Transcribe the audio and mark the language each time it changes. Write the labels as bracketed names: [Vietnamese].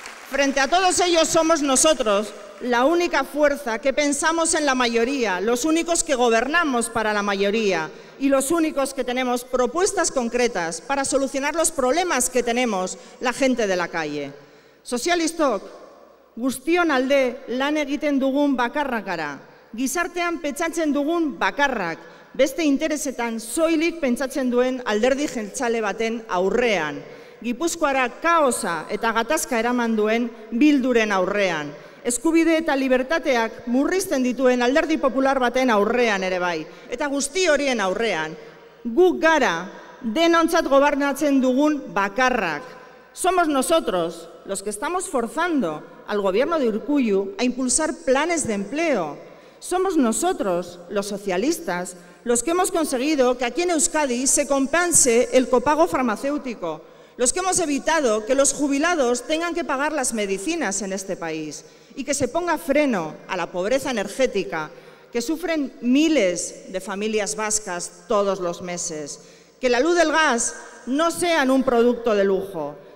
[Spanish] Frente a todos ellos somos nosotros la única fuerza que pensamos en la mayoría, los únicos que gobernamos para la mayoría y los únicos que tenemos propuestas concretas para solucionar los problemas que tenemos la gente de la calle. [Basque] Sozialistok, guztion alde lan egiten dugun bakarrak gara. Gizartean pentsatzen dugun bakarrak, beste interesetan soilik pentsatzen duen alderdi jeltzale baten aurrean. Gipuzkoara kaosa eta gatazka eraman duen Bilduren aurrean. eskubide eta libertateak murrizten dituen alderdi popular baten aurrean ere bai. Eta guzti horien aurrean, guk gara denontzat gobernatzen dugun bakarrak. [Spanish] Somos nosotros los que estamos forzando al gobierno de Urkullu a impulsar planes de empleo. Somos nosotros, los socialistas, los que hemos conseguido que aquí en Euskadi se compense el copago farmacéutico, los que hemos evitado que los jubilados tengan que pagar las medicinas en este país y que se ponga freno a la pobreza energética que sufren miles de familias vascas todos los meses, que la luz del gas no sea un producto de lujo.